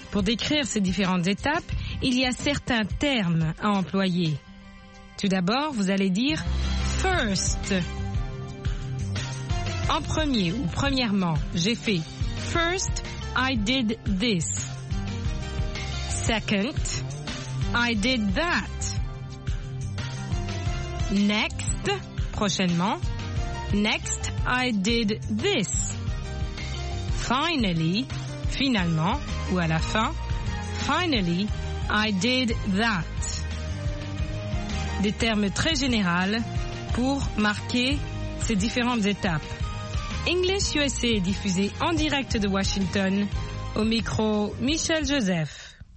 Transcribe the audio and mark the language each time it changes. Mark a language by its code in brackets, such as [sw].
[fr] Pour décrire ces différentes étapes, il y a certains termes à employer. Tout d'abord, vous allez dire « first ». En premier ou premièrement, j'ai fait « [en] first, I did this ». Second, I did that. Next, prochainement, next, I did this. Finally, [fr] finalement, ou à la fin, [en] finally, I did that. [fr] Des termes très généraux pour marquer ces différentes étapes. English USA est diffusé en direct de Washington. Au micro, Michel Joseph.